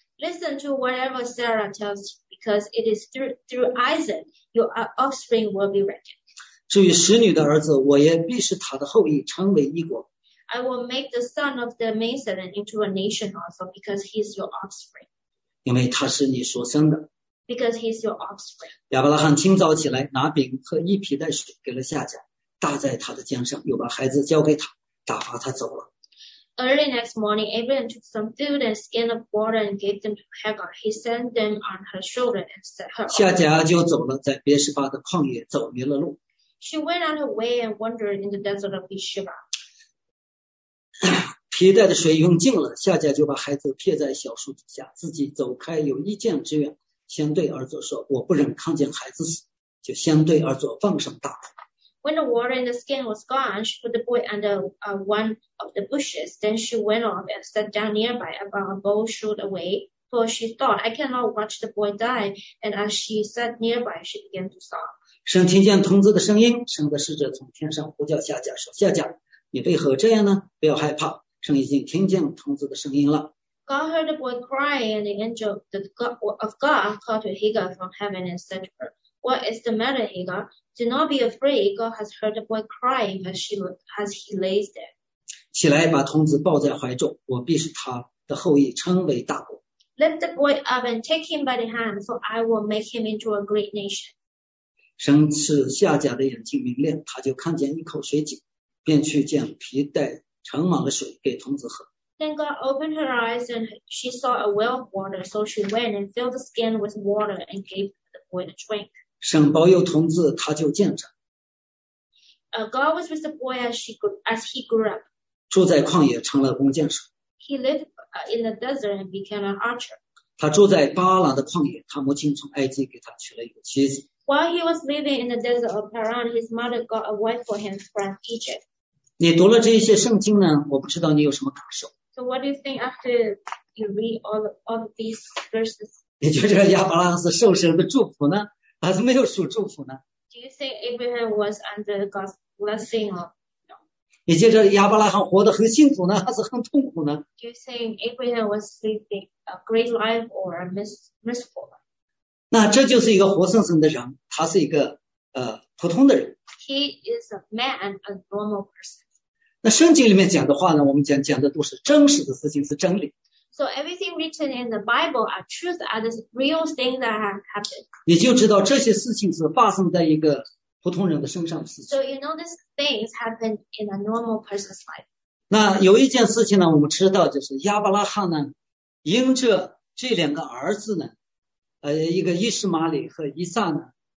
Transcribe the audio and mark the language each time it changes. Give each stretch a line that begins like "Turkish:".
English: Listen to whatever Sarah tells you. Because it is through Isaac your offspring will be reckoned.
Chinese: 至于使女的儿子，我也必是他的后裔，成为一国。
English: I will make the son of the maidservant into a nation also, because he is your offspring.
Chinese: 因为他是你所生的。
English: Because he is your offspring.
Chinese: 亚伯拉罕清早起来，拿饼和一皮带水给了夏甲，搭在他的肩上，又把孩子交给他，打发他走了。
English: Early next morning, Abraham took some food and skin of water and gave them to Hagar. He sent them on her shoulder and set her.
Chinese: 夏甲就走了，在别是巴的旷野走迷了路。
English: She went on her way and wandered in the desert of Beersheba.
Chinese: 皮带的水用尽了，夏甲就把孩子撇在小树底下，自己走开有一箭之远，先对儿子说：“我不忍看见孩子死。” 就先对儿子放声大哭。
English: When the water in the skin was gone, she put the boy under one of the bushes. Then she went off and sat down nearby about a bow shoot away. For she thought, I cannot watch the boy die. And as she sat nearby, she began to sob.
Chinese: 神听见童子的声音，神的使者从天上呼叫夏甲说，夏甲，你为何这样呢？不要害怕，神已经听见童子的声音了。
English: God heard the boy crying, and the angel of God called to Hagar from heaven and said to her,What is the matter, Hagar? Do not be afraid. God has heard the boy crying as he lays there.
Chinese: 起来，把童子抱在怀中，我必使他的后裔称为大国。
English: Lift the boy up and take him by the hand, for I will make him into a great nation.
Chinese: 神赐夏甲的眼睛明亮，他就看见一口水井，便去将皮带盛满了水给童子喝。
English: Then God opened her eyes and she saw a well of water, so she went and filled the skin with water and gave the boy a drink.
Chinese: 神保佑童子，他就见长。
English: God was with the boy as he grew up.
Chinese: 住在旷野，成了弓箭手。
English: He lived in the desert and became an archer.
Chinese: 他住在巴兰的旷野，他母亲从埃及给他娶了一个妻子。
English: While he was living in the desert of Paran, his mother got a wife for him from Egypt.
Chinese: 你读了这些圣经呢？我不知道你有什么感受。
English: So what do you think after you read all of these verses?
Chinese: 你觉得亚伯拉罕是受神的祝福呢，还是没有属祝福呢？
English: Do you think Abraham was under God's blessing or no?
Chinese: 你觉得亚伯拉罕活得很幸福呢，还是很痛苦呢？
English: Do you think Abraham was living a great life or a miserable life?
Chinese: 那这就是一个活生生的人，他是一个普通的人。
English: He is a man, a normal person.
Chinese: 那圣经里面讲的话呢，我们讲的都是真实的事情，是真理。
English: So everything written in the Bible are truth, are the real things that have happened.
Chinese: 你就知道这些事情是发生在一个普通人的身上的事情。
English: So you know these things happen in a normal person's life.
Chinese: 那有一件事情呢，我们知道就是亚伯拉罕呢，因着这两个儿子呢，一个伊什玛里和伊撒呢。